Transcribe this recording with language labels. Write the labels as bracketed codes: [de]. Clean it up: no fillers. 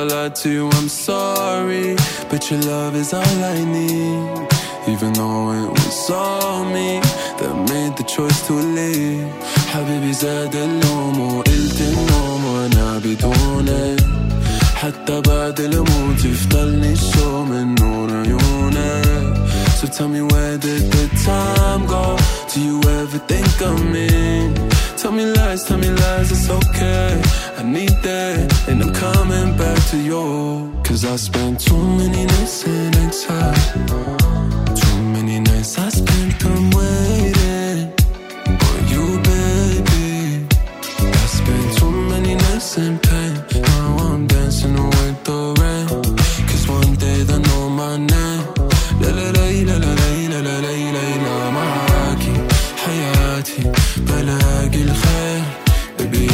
[en] To you, I'm sorry, but your love is all I need. Even though it was all me that made the choice to leave. [ar] Habibi زاد اللوم وقلت النوم وانا بدونه حتى بعد الموت يفضلني شو من نور عيونه. [en] So tell me where did the time go? Do you ever think of me? Tell me lies, it's okay. I need that, and I'm coming back to you. Cause I spent too many nights in exile. Too many nights I spent on waiting for you, baby. I spent too many nights in pain. Now I'm dancing with the rain. Cause one day they'll know my name. La la la la la la la la la la la la la la la la la la la la.